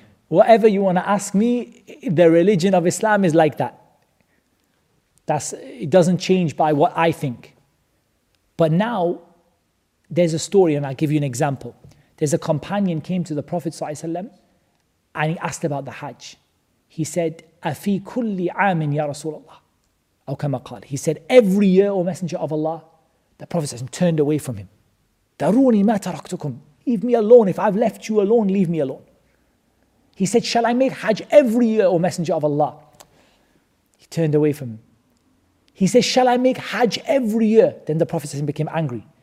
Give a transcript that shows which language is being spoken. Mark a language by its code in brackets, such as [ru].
[en] Whatever you want to ask me, the religion of Islam is like that. It doesn't change by what I think. But now, there's a story, and I'll give you an example. There's a companion came to the Prophet ﷺ, and he asked about the Hajj. He said, [ar] أَفِي كُلِّ عَامٍ يَا رَسُولَ اللَّهِ أَوْ كَمَا قَالَ. [en] He said, every year, O Messenger of Allah, the Prophet turned away from him. [ar] Daruni ma taraktukum. [en] Leave me alone. If I've left you alone, leave me alone. He said, shall I make Hajj every year, O Messenger of Allah? He turned away from him. He said, shall I make Hajj every year? Then the Prophet became angry.